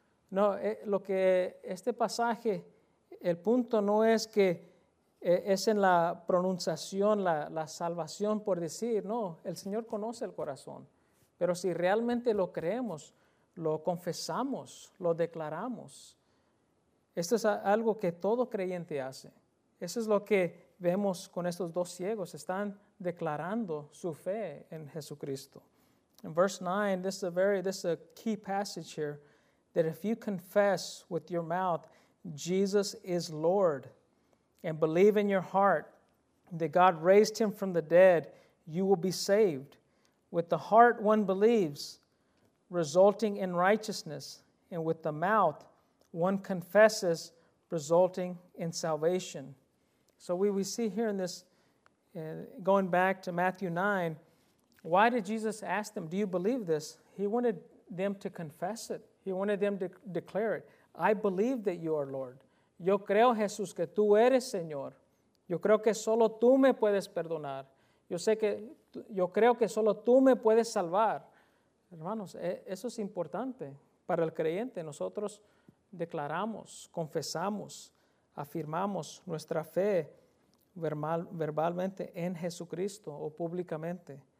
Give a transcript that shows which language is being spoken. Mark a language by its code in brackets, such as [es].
[es] No, lo que este pasaje, el punto no es que es en la pronunciación, la salvación por decir, no, el Señor conoce el corazón, pero si realmente lo creemos, lo confesamos, lo declaramos. Esto es algo que todo creyente hace. Eso es lo que vemos con estos dos ciegos. Están declarando su fe en Jesucristo. [en] In verse 9, this is a key passage here, that if you confess with your mouth, Jesus is Lord, and believe in your heart that God raised him from the dead, you will be saved. With the heart one believes, resulting in righteousness, and with the mouth one confesses, resulting in salvation. So we see here in this, going back to Matthew 9, why did Jesus ask them, do you believe this? He wanted them to confess it. He wanted them to declare it. I believe that you are Lord. [es] Yo creo, Jesús, que tú eres Señor. Yo creo que solo tú me puedes perdonar. Yo creo que solo tú me puedes salvar. Hermanos, eso es importante para el creyente. Nosotros declaramos, confesamos, afirmamos nuestra fe verbalmente en Jesucristo o públicamente.